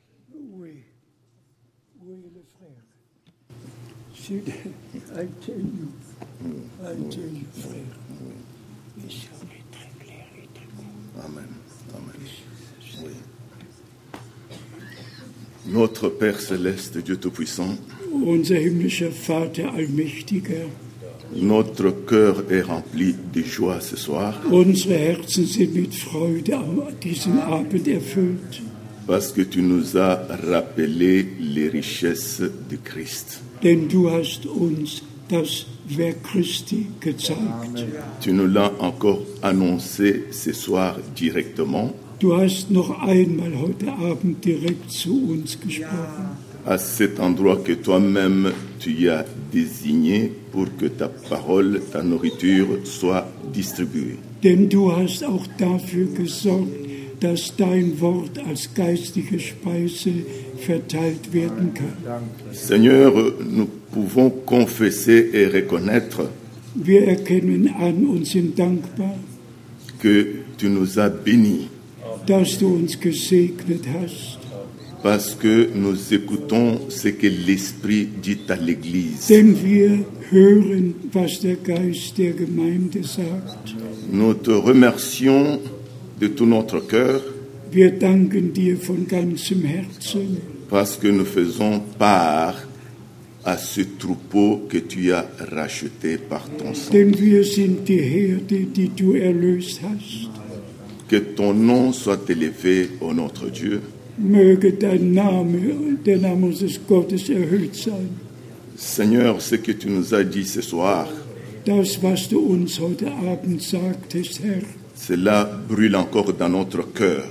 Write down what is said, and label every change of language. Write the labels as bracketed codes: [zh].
[fr] Oui. Oui, le frère. Notre Père céleste, Dieu tout-puissant, [de] unser himmlischer Vater allmächtiger, [fr] notre cœur est rempli de joie ce soir. [de] Unsere Herzen sind mit Freude an diesem Abend erfüllt. [fr] Parce que tu nous as rappelé les richesses de Christ. [de] Denn du hast uns das Werk Christi gezeigt. [fr] Amen. Tu nous l'as encore annoncé ce soir directement. [de] Du hast noch einmal heute Abend direkt zu uns gesprochen. [fr] À cet endroit que toi-même tu y as désigné pour que ta parole, ta nourriture soit distribuée. [de] Denn du hast auch dafür gesorgt, dass dein Wort als geistige Speise verteilt werden kann. [fr] Seigneur, nous pouvons confesser et reconnaître, [de] wir erkennen an und sind dankbar, [fr] que tu nous as bénis, [de] dass du uns gesegnet hast, [fr] parce que nous écoutons ce que l'Esprit dit à l'Église. [de] Denn wir hören, was der Geist der Gemeinde sagt. [fr] Nous te remercions de tout notre cœur. [de] Wir danken dir von ganzem Herzen. [fr] Parce que nous faisons part à ce troupeau que tu as racheté par ton sang. [de] Denn wir sind die Herde, die du erlöst hast. [fr] Que ton nom soit élevé, ô notre Dieu. [de] Möge dein Name, der Name unseres Gottes, erhöht sein. [fr] Seigneur, ce que tu nous as dit ce soir, [de] das, was du uns heute Abend sagtest, Herr, [fr] cela brûle encore dans notre cœur.